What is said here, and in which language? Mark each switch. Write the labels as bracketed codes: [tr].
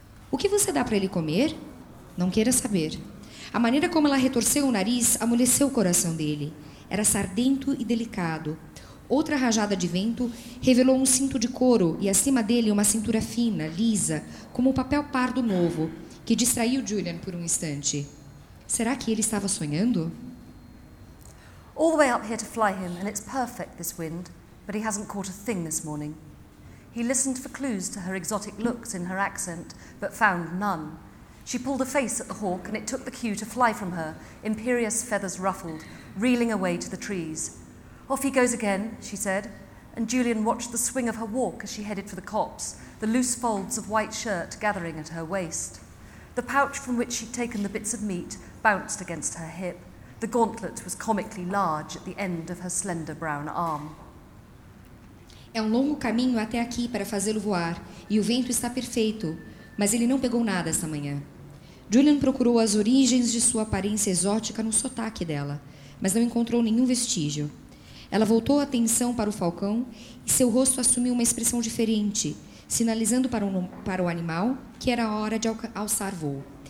[pt] O que você dá para ele comer? Não queira saber. A maneira como ela retorceu o nariz amoleceu o coração dele. Era sardento e delicado. Outra rajada de vento revelou um cinto de couro e acima dele uma cintura fina, lisa, como um papel pardo novo, que distraiu Julian por um instante. Será que ele estava sonhando? [en] All the way up here to fly him, and it's perfect, this wind. But he hasn't caught a thing this morning. He listened for clues to her exotic looks in her accent, but found none. She pulled a face at the hawk, and it took the cue to fly from her, imperious feathers ruffled, reeling away to the trees. Off he goes again, she said, and Julian watched the swing of her walk as she headed for the copse, the loose folds of white shirt gathering at her waist. The pouch from which she'd taken the bits of meat bounced against her hip. The gauntlet was comically large at the end of her slender brown arm. [pt] É um longo caminho até aqui para fazê-lo voar, e o vento está perfeito, mas ele não pegou nada esta manhã. Julian procurou as origens de sua aparência exótica no sotaque dela, mas não encontrou nenhum vestígio. Ela voltou a atenção para o falcão e seu rosto assumiu uma expressão diferente, sinalizando para o animal que era hora de alçar voo.